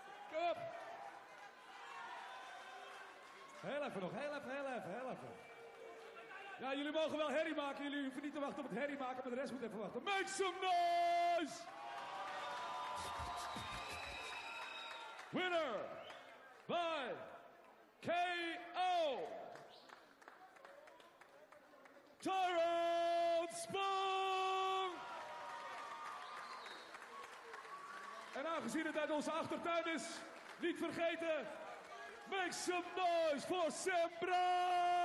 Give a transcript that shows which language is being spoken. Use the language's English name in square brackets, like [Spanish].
[Dutch] Kom op! Heel even nog, heel even. Ja, jullie mogen wel herrie maken, jullie hoeven niet te wachten op het herrie maken, maar de rest moet even wachten. [English] Make some noise! Winner by KO, Tyrone Spong! [Dutch] En aangezien het uit onze achtertuin is, niet vergeten, [English] make some noise [Dutch] voor Sem Braan!